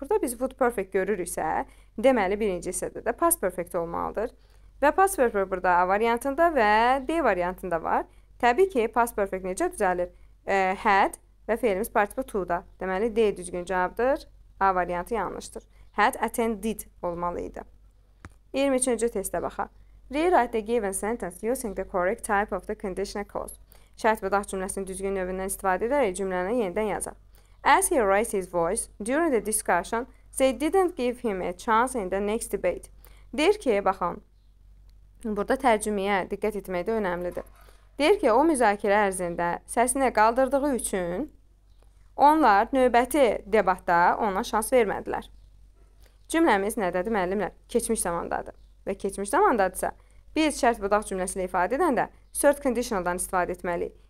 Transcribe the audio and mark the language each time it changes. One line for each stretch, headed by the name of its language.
Azerbaijani: Burada biz would perfect görürüksə, deməli birinci hissədə də past perfect olmalıdır. Və past perfect burada A variantında və D variantında var. Təbii ki, past perfect necə düzəlir? Had və fiilimiz participle to-da. Deməli, D düzgün cavabdır. A variantı yanlışdır. Had attended olmalı idi. 23-cü testə baxaq.
English: Rewrite the given sentence using the correct type of the conditional clause.
Azerbaijani: Şərt budaq cümləsinin düzgün növündən istifadə edərək cümləni yenidən yazaq.
English: As he raised his voice during the discussion, they didn't give him a chance in the next debate.
Azerbaijani: Deyir ki, baxın, burada tərcüməyə diqqət etmək də önəmlidir. Deyir ki, o müzakirə ərzində səsini qaldırdığı üçün onlar növbəti debatda ona şans vermədilər. Cümləmiz nədədir, müəllimlər? Keçmiş zamandadır. Və keçmiş zamandadırsa, biz şərt budaq cümləsi ilə ifadə edəndə third conditional-dan istifadə etməliyik.